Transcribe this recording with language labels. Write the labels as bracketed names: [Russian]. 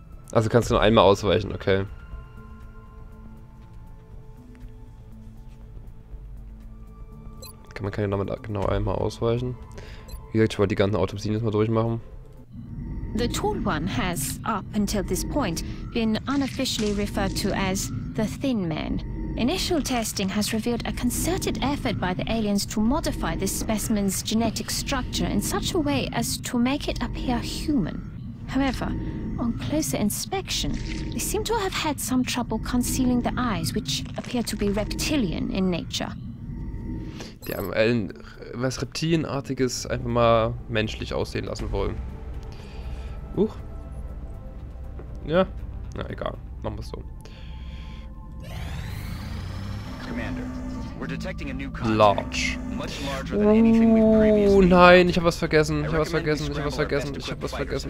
[German] Also kannst du nur einmal ausweichen, okay. Man kann ja damit genau einmal ausweichen. Wie gesagt, ich wollte die ganzen Autopsien jetzt mal durchmachen. [English] The tall one has, up until this point, been unofficially referred to as the thin man. Initial testing has revealed a concerted effort by the aliens to modify this specimen's genetic structure in such a way as to make it appear human. However, on closer inspection, they seem to have had some trouble concealing the eyes, which appear to be reptilian in nature. [German] Die haben ein, was Reptilienartiges einfach mal menschlich aussehen lassen wollen. Huch. Ja. Na egal. Machen wir es so. [English] Commander, we're detecting a new large. [German] Oh nein, ich habe was vergessen. Ich habe was vergessen. Ich habe was vergessen. Ich habe was vergessen.